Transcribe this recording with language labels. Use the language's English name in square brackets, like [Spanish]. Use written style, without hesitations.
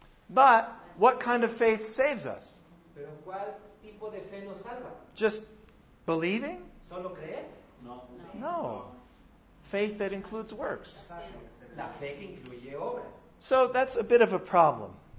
[English] But what kind of faith saves us? [Spanish] Pero ¿cuál tipo de fe nos salva? [English] Just believing? [Spanish] ¿Solo creer? [English] No. Faith that includes works. [Spanish] La fe que incluye obras. [English] So that's a bit of a problem.